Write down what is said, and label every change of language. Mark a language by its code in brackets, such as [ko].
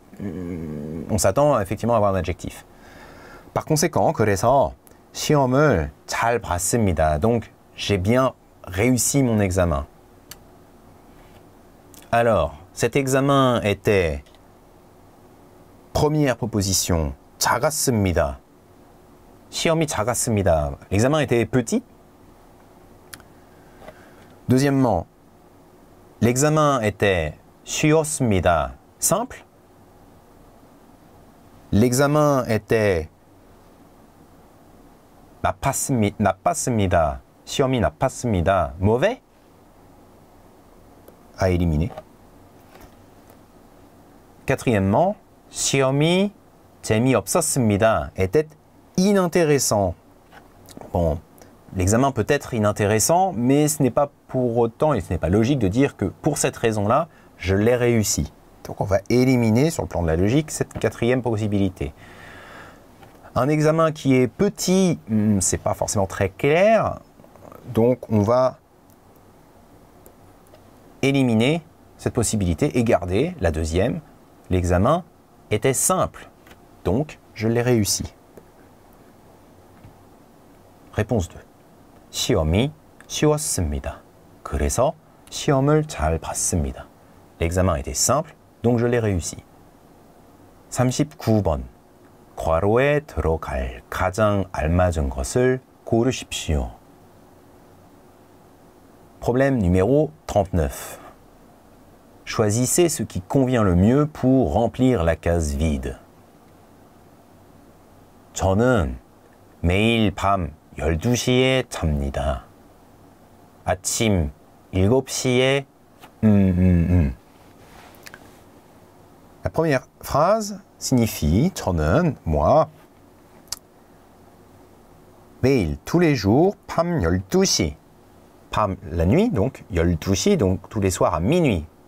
[fr] On s'attend effectivement à avoir un adjectif. Par conséquent, [ko] 그래서 시험을 잘 봤습니다. [fr] Donc, j'ai bien réussi mon examen. Alors, cet examen était. Première proposition, [ko] 작았습니다. 시험이 작았습니다. [fr] L'examen était petit. Deuxièmement, l'examen était [ko] 쉬웠습니다. [fr] Simple. L'examen était [ko] 나빴습니다. 시험이 나빴습니다. [fr] Mauvais. À éliminer. Quatrièmement, [ko] 시험이 재미없었습니다 [fr] était inintéressant. Bon, l'examen peut être inintéressant, mais ce n'est pas pour autant, et ce n'est pas logique de dire que pour cette raison-là, je l'ai réussi. Donc on va éliminer, sur le plan de la logique, cette quatrième possibilité. Un examen qui est petit, c'est pas forcément très clair, donc on va éliminer cette possibilité et garder la deuxième. L'examen était simple, donc je l'ai réussi. Réponse 2. [ko] 시험이 쉬웠습니다. 그래서 시험을 잘 봤습니다. [fr] L'examen était simple, donc je l'ai réussi. [ko] 39번. 괄호에 들어갈 가장 알맞은 것을 고르십시오. [fr] Problème numéro 39. Choisissez ce qui convient le mieux pour remplir la case vide. [ko] 저는 매일 밤 12시에 잡니다. 아침 7시에 [fr] La première phrase signifie [ko] 저는 [fr] moi [ko] 매일 [fr] tous les jours [ko] 밤 12시 밤 [fr] la nuit donc 12시 donc tous les soirs à minuit.